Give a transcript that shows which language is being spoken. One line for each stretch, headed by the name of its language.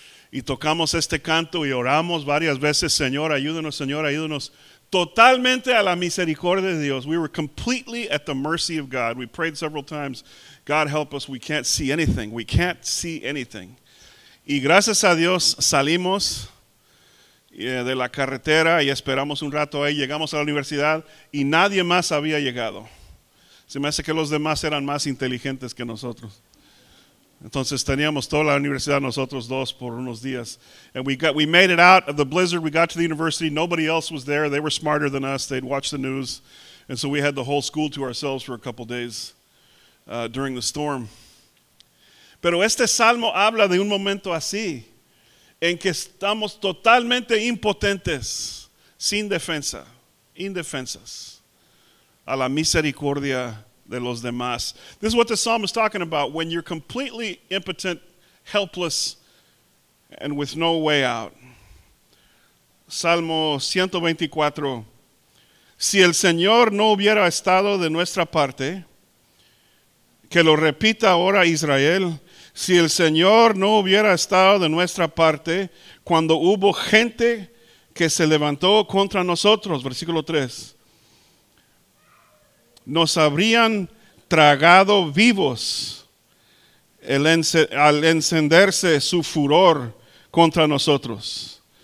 Spanish: Y tocamos este canto y oramos varias veces. Señor, ayúdanos. Totalmente a la misericordia de Dios.
English: We were completely at the mercy of God. We prayed several times. God help us. We can't see anything. We can't see anything.
Spanish: Y gracias a Dios salimos de la carretera y esperamos un rato ahí. Llegamos a la universidad y nadie más había llegado. Se me hace que los demás eran más inteligentes que nosotros. Entonces teníamos toda la universidad nosotros dos por unos días.
English: And we made it out of the blizzard. We got to the university. Nobody else was there. They were smarter than us. They'd watched the news. And so we had the whole school to ourselves for a couple days during the storm.
Spanish: Pero este salmo habla de un momento así, en que estamos totalmente impotentes, sin defensa, indefensas, a la misericordia de los demás.
English: This is what the psalm is talking about. When you're completely impotent, helpless, and with no way out.
Spanish: Salmo 124. Si el Señor no hubiera estado de nuestra parte, que lo repita ahora Israel. Si el Señor no hubiera estado de nuestra parte, cuando hubo gente que se levantó contra nosotros, versículo 3, nos habrían tragado vivos al encenderse su furor contra nosotros.